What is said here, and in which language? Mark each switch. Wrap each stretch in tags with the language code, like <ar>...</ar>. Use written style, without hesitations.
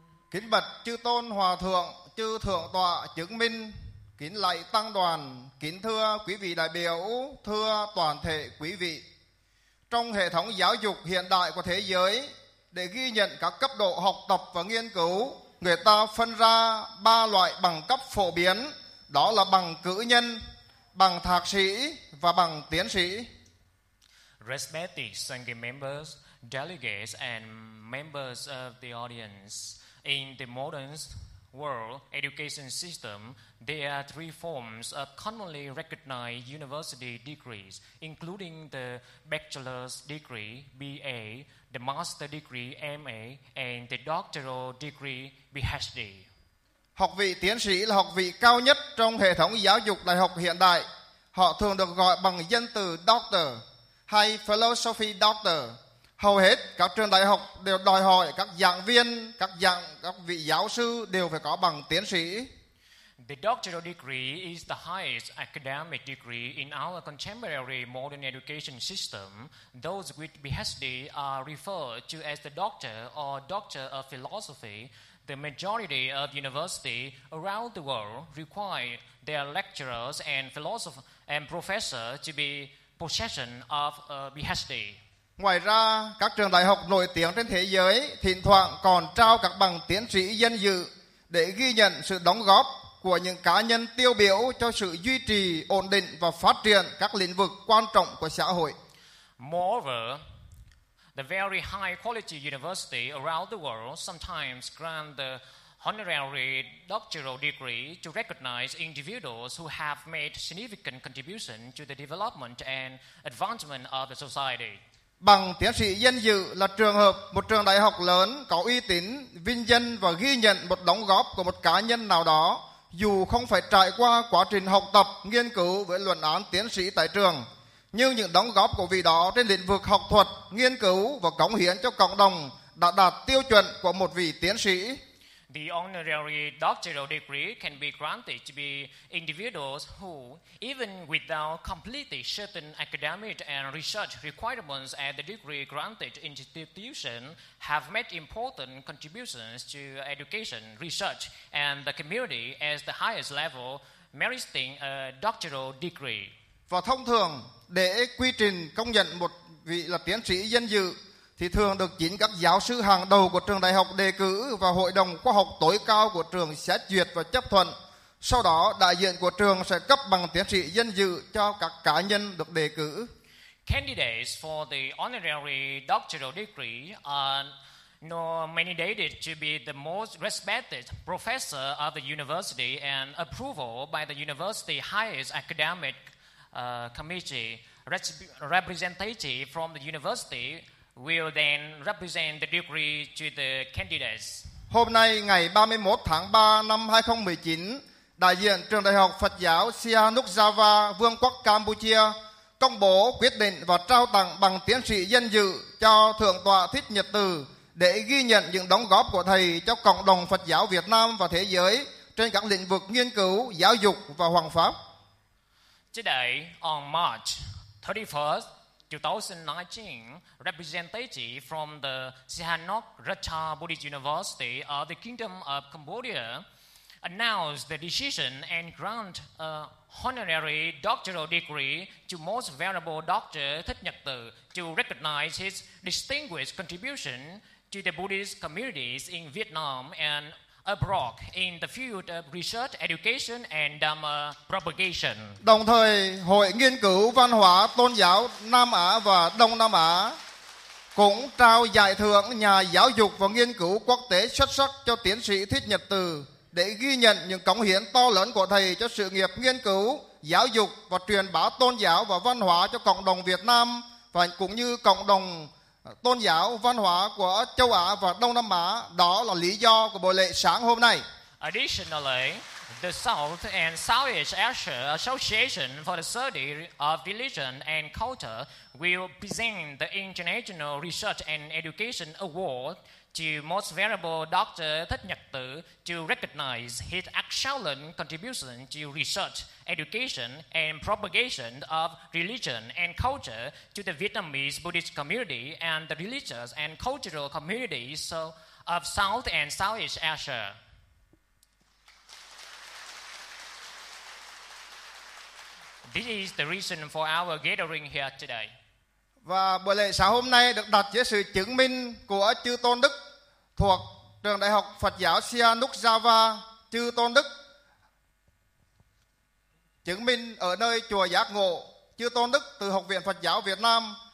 <vi>Kính bạch chư tôn hòa thượng, chư thượng tọa chứng minh, kính lạy tăng đoàn, kính thưa quý vị đại biểu, thưa toàn thể quý vị. Trong hệ thống giáo dục hiện đại của thế giới, để ghi nhận các cấp độ học tập và nghiên cứu, người ta phân ra ba loại bằng cấp phổ biến, đó là bằng cử nhân, bằng thạc sĩ và bằng tiến sĩ.</vi> <en>Respected Sangha members, delegates and members of the audience, in the modern world education system, there are three forms of commonly recognized university degrees, including the bachelor's degree, BA, the master's degree, MA, and the doctoral degree, PhD.</en> <vi>Học vị tiến sĩ là học vị cao nhất trong hệ thống giáo dục đại học hiện đại. Họ thường được gọi bằng danh từ doctor hay philosophy doctor. Hầu hết các trường đại học đều đòi hỏi các giảng viên, các vị giáo sư đều phải có bằng tiến sĩ.</vi> <en>The doctoral degree is the highest academic degree in our contemporary modern education system. Those with PhD are referred to as the doctor or doctor of philosophy. The majority of universities around the world require their lecturers and philosophers and professors to be possession of a PhD.</en> <vi>Ngoài ra, các trường đại học nổi tiếng trên thế giới thỉnh thoảng còn trao các bằng tiến sĩ danh dự để ghi nhận sự đóng góp của những cá nhân tiêu biểu cho sự duy trì, ổn định và phát triển các lĩnh vực quan trọng của xã hội.</vi> <en>Moreover, the very high quality university around the world sometimes grant the honorary doctoral degree to recognize individuals who have made significant contribution to the development and advancement of the society.</en> <vi>Bằng tiến sĩ danh dự là trường hợp một trường đại học lớn có uy tín vinh danh và ghi nhận một đóng góp của một cá nhân nào đó dù không phải trải qua quá trình học tập nghiên cứu với luận án tiến sĩ tại trường, nhưng những đóng góp của vị đó trên lĩnh vực học thuật nghiên cứu và cống hiến cho cộng đồng đã đạt tiêu chuẩn của một vị tiến sĩ.</vi> <en>The honorary doctoral degree can be granted to be individuals who, even without completing certain academic and research requirements at the degree granted institution, have made important contributions to education, research, and the community at the highest level, meriting a doctoral degree.</en> <vi>Và thông thường, để quy trình công nhận một vị là tiến sĩ danh dự, thì thường được chính các giáo sư hàng đầu của trường đại học đề cử và hội đồng khoa học tối cao của trường xét duyệt và chấp thuận. Sau đó, đại diện của trường sẽ cấp bằng tiến sĩ danh dự cho các cá nhân được đề cử.</vi> <en>Candidates for the honorary doctoral degree are nominated to be the most respected professor of the university and approval by the university highest academic committee representative from the university will then represent the degree to the candidates.</en> <vi>Hôm nay ngày 31 tháng 3 năm 2019, đại diện trường đại học Phật giáo Sihanouk Java, Vương quốc Campuchia công bố quyết định và trao tặng bằng tiến sĩ danh dự cho thượng tọa Thích Nhật Từ để ghi nhận những đóng góp của thầy cho cộng đồng Phật giáo Việt Nam và thế giới trên các lĩnh vực nghiên cứu, giáo dục và hoằng pháp.</vi> <en>Today on March 31st 2019, representative from the Sihanouk Ratcha Buddhist University of the Kingdom of Cambodia announced the decision and grant a honorary doctoral degree to Most Venerable Doctor Thích Nhật Từ to recognize his distinguished contribution to the Buddhist communities in Vietnam and abroad in the field of research, education and Dharma propagation.</en> <vi>Đồng thời, Hội Nghiên cứu Văn hóa Tôn giáo Nam Á và Đông Nam Á cũng trao giải thưởng Nhà giáo dục và nghiên cứu quốc tế xuất sắc cho tiến sĩ Thích Nhật Từ để ghi nhận những cống hiến to lớn của thầy cho sự nghiệp nghiên cứu, giáo dục và truyền bá tôn giáo và văn hóa cho cộng đồng Việt Nam và cũng như cộng đồng tôn giáo văn hóa của châu Á và Đông Nam Á. Đó là lý do của buổi lễ sáng hôm nay.</vi> <en>Additionally, the South and Southeast Asia Association for the Study of Religion and Culture will present the International Research and Education Award to Most Venerable Dr. Thích Nhật Từ to recognize his excellent contribution to research, education and propagation of religion and culture to the Vietnamese Buddhist community and the religious and cultural communities of South and Southeast Asia. This is the reason for our gathering here today.</en> <vi>Và buổi lễ sáng hôm nay được đặt dưới sự chứng minh của Chư Tôn Đức thuộc Trường Đại học Phật giáo Sihanouk Java, Chư Tôn Đức chứng minh ở nơi Chùa Giác Ngộ, Chư Tôn Đức từ Học viện Phật giáo Việt Nam.</vi>